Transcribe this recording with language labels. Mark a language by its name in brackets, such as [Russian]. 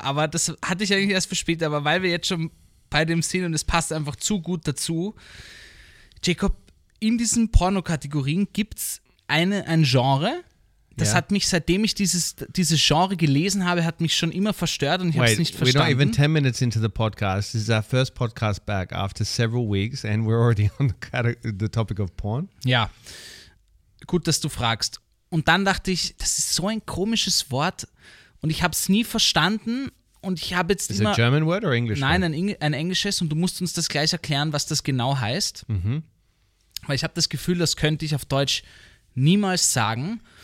[German] Aber das hatte ich eigentlich erst für später, aber weil wir jetzt schon bei dem Sinn und es passt einfach zu gut dazu. Jacob, in diesen Porno-Kategorien gibt es ein Genre, das hat mich, seitdem ich dieses Genre gelesen habe, hat mich schon immer verstört und ich habe es nicht verstanden. [English] We're not even 10 minutes into the podcast. This is our first podcast back after several weeks and we're already on the topic of porn. [German] Ja, gut, dass du fragst. Und dann dachte ich, das ist so ein komisches Wort und ich habe es nie verstanden. Und ich habe jetzt [English] is [German] immer, [English] a German word or English? [German] Nein, ein englisches und du musst uns das gleich erklären, was das genau heißt. Mm-hmm. Weil ich habe das Gefühl, das könnte ich auf Deutsch niemals sagen.